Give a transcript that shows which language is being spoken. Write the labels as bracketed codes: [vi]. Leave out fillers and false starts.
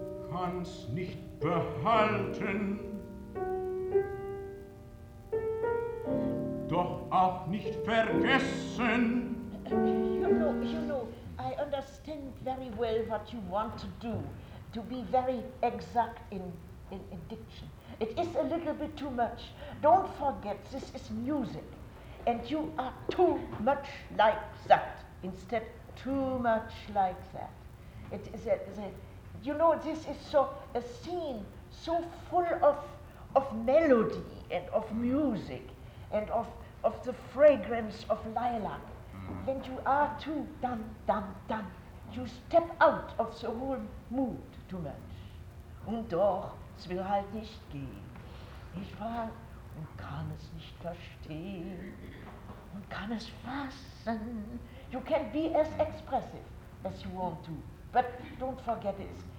[de] Kann's nicht behalten, doch auch nicht vergessen. [en] You know, I understand very well what you want to do, to be very exact in diction. It is a little bit too much. Don't forget, this is music. And you are too much like that, instead too much like that. It is you know, this is so a scene so full of melody and of music and of the fragrance of lilac. When you are too done, done, done, you step out of the whole mood too much. [de] Und doch, es will halt nicht gehen. Ich war und kann es nicht verstehen. Kann es fassen. [en] You can be as expressive as you want to, but don't forget this.